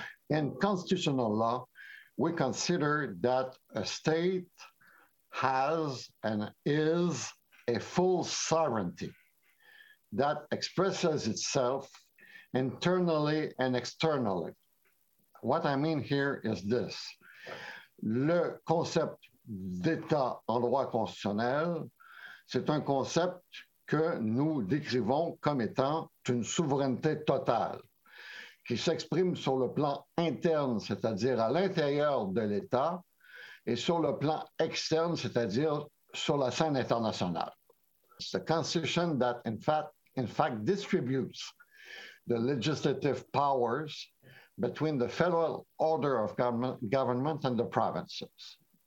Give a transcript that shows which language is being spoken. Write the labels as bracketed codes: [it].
[en] In constitutional law, we consider that a state has and is a full sovereignty that expresses itself internally and externally. What I mean here is this. [fr] Le concept d'État en droit constitutionnel, c'est un concept que nous décrivons comme étant une souveraineté totale, qui s'exprime sur le plan interne, c'est-à-dire à l'intérieur de l'État, et sur le plan externe, c'est-à-dire sur la scène internationale. [en] It's a constitution that in fact distributes the legislative powers between the federal order of government and the provinces.